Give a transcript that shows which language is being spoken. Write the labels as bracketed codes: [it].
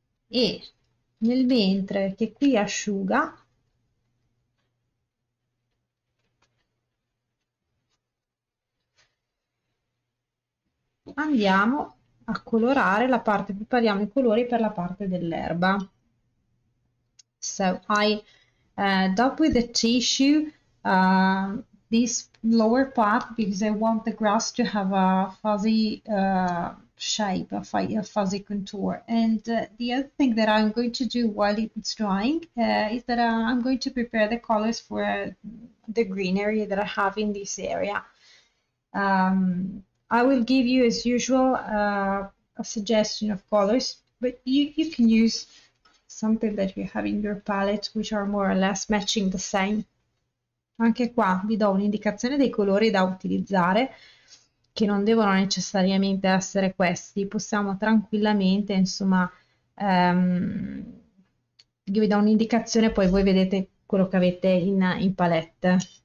[it] E nel mentre che qui asciuga, andiamo a colorare la parte, prepariamo i colori per la parte dell'erba. [en] So, I dab with a tissue this lower part because I want the grass to have a fuzzy shape, a fuzzy contour. And the other thing that I'm going to do while it's drying is that I'm going to prepare the colors for the greenery that I have in this area. I will give you, as usual, a suggestion of colors, but you can use something that you have in your palette, which are more or less matching the same. [it] Anche qua vi do un'indicazione dei colori da utilizzare, che non devono necessariamente essere questi. Possiamo tranquillamente, insomma, io vi do un'indicazione, poi voi vedete quello che avete in palette.